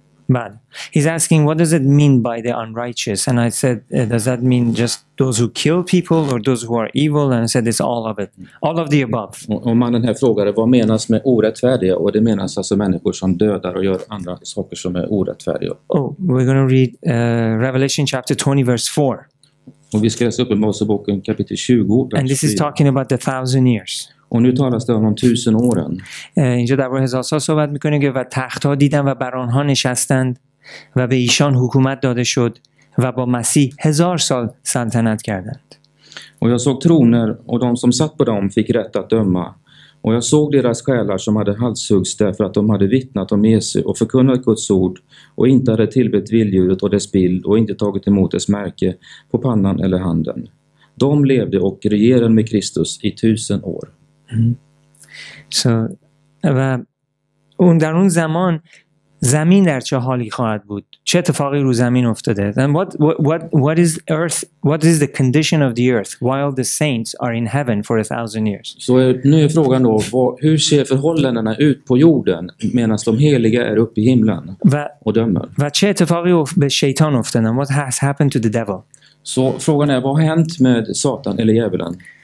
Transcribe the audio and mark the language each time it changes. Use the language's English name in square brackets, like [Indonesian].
[Persian] بعد [English] he's asking what does it mean by the unrighteous and I said does that mean just those who kill people or those who are evil and I said it's all of it, all of the above. [Swedish] Och mannen här frågade vad menas med orättfärdiga, och det menas alltså människor som dödar och gör andra saker som är orättfärdiga. [English] Oh, we're going to read Revelation chapter 20 verse 4. [Swedish] Och vi ska läsa upp Moseboken kapitel 20 vers 4. [English] And this is talking about the thousand years. [Swedish] Och nu talas det om de tusen åren. [Persian] اینجا در باره هزار سال صحبت میکنه که و تخت ها دیدن و بر آنها نشستند و به ایشان حکومت داده شد و با مسیح هزار سال سلطنت کردند. [Swedish] Och jag såg troner och de som satt på dem fick rätt att döma. Och jag såg deras själar som hade halshuggs därför att de hade vittnat om Jesus och förkunnat Guds ord och inte hade tillbett vilddjuret och dess bild och inte tagit emot dess märke på pannan eller handen. De levde och regerade med Kristus i tusen år. [Persian] و اون در اون زمان زمین در چه حالی خواهد بود؟ چه اتفاقی رو زمین افتاده؟ [English] Then what is earth? What is the condition of the earth while the saints are in heaven for a thousand years? [Swedish] Så nu är frågan då, hur ser förhållandena ut på jorden medan de heliga är uppe i himlen och dömer? [Persian] و چه اتفاقی به شیطان افتاده؟ [English] What has happened to the devil? [Swedish] Så frågan är, vad har hänt med Satan eller djävulen?